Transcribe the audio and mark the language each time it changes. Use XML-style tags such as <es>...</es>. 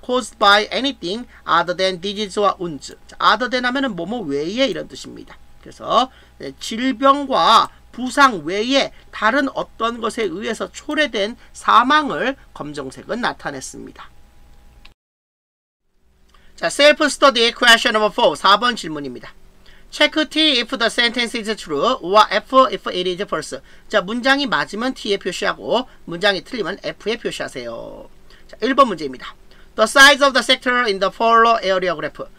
<en>Caused by anything other than disease or wounds.</en> <ko>자, other than 하면은 뭐뭐 외에 이런 뜻입니다. 그래서 네, 질병과 부상 외에 다른 어떤 것에 의해서 초래된 사망을 검정색은 나타냈습니다.</ko> <en>자, self-study question number 4,</en> <ko>4번 질문입니다.</ko> <en>Check T if the sentence is true or F if it is false.</en> <ko>자, 문장이 맞으면 T에 표시하고 문장이 틀리면 F에 표시하세요. 자, 1번 문제입니다.</ko> <en>The size of the sector in the polar area graph.</en>